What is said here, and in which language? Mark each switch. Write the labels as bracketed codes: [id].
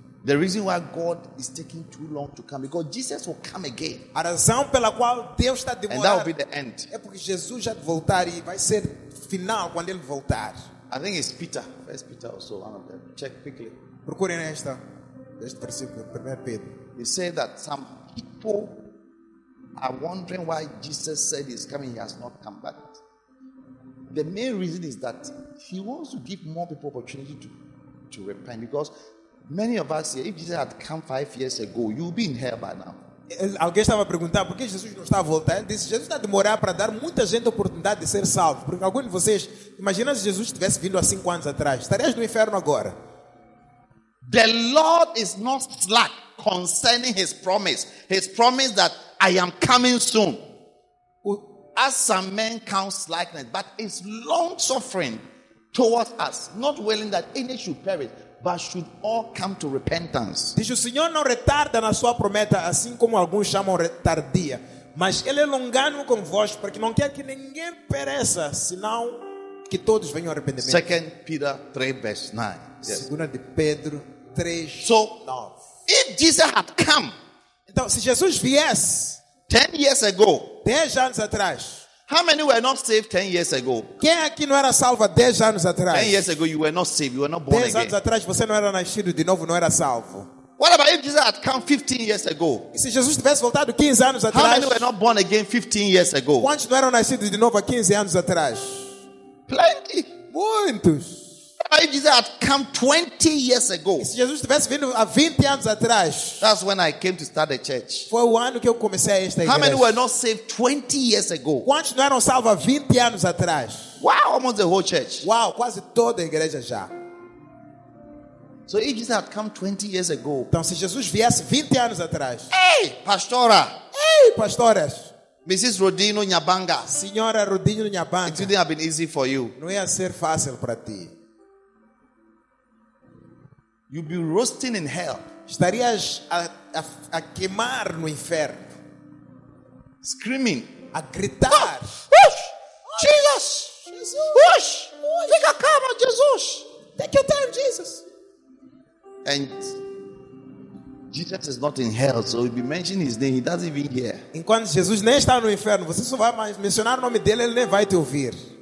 [en] The reason why God is taking too long to come, because Jesus will come again. [pt] A razão pela qual Deus está demorando, [en] and that will be the end. [pt] É porque Jesus já voltar e vai ser final quando ele voltar. [en] I think it's Peter. First Peter also, one of them. Check quickly. [pt] Procurem este versículo, 1 Pedro. [en] He said that some people are wondering why Jesus said he's coming, he has not come back. The main reason is that he wants to give more people opportunity to to repent, because many of us here, if Jesus had come 5 years ago, you would be in hell by now. [pt] Alguém estava a perguntar por que Jesus não está a voltar. Ele disse: Jesus está a demorar para dar muita gente a oportunidade de ser salvo. Porque alguns de vocês, imagina se Jesus tivesse vindo há 5 anos atrás, estarias no inferno agora. [en] The Lord is not slack concerning his promise. His promise that I am coming soon. As some men count slackness, but is long suffering towards us, not willing that any should perish, but should all come to repentance. [pt] Diz: o Senhor não retarda na sua promessa, assim como alguns chamam retardia, mas ele é longano convosco, porque não quer que ninguém pereça, senão que todos venham ao arrependimento. [en] 2 Peter 3, verse 9. Yes. [pt] 2 de Pedro 3, [en] so, 9. If Jesus had come, [pt] então, se Jesus viesse [en] 10 years ago, [pt] 10 anos atrás, [en] how many were not saved 10 years ago? [pt] Quem aqui não era salvo 10 anos atrás? [en] 10 years ago you were not saved, you were not born again. [pt] 10 anos atrás você não era nascido de novo, não era salvo. [en] What about if Jesus had come 15 years ago? [pt] Se Jesus tivesse voltado 15 anos atrás? [en] How many were not born again 15 years ago? [pt] Quantos não eram nascidos de novo 15 anos atrás? [en] Plenty. [pt] Muitos. [en] If Jesus had come 20 years ago, [pt] se Jesus tivesse vindo há 20 anos atrás, [en] that's when I came to start a church. [pt] Foi o ano que eu comecei esta igreja. [en] How many were not saved 20 years ago? [pt] Quantos não eram salvos 20 anos atrás? [en] Wow, almost the whole church. [pt] Wow, quase toda a igreja já. [en] So if Jesus had come 20 years ago, [pt] então se Jesus viesse 20 anos atrás, [en] hey, pastora, [pt] hey, pastores, [en] Mrs. Rodino Nyabanga, [pt] senhora Rodino Nyabanga, [en] it wouldn't have been easy for you. [pt] Não ia ser fácil para ti. [en] You'd be roasting in hell. [pt] Estarias a queimar no inferno. [en] Screaming. [pt] A gritar. [en] Oh, oh, Jesus! [pt] Jesus! Fica calmo, Jesus! [en] Take your time, Jesus! And Jesus is not in hell, so if you mention his name, he doesn't even hear. [pt] Enquanto Jesus nem está no inferno, você só vai mais mencionar o nome dele, ele nem vai te ouvir.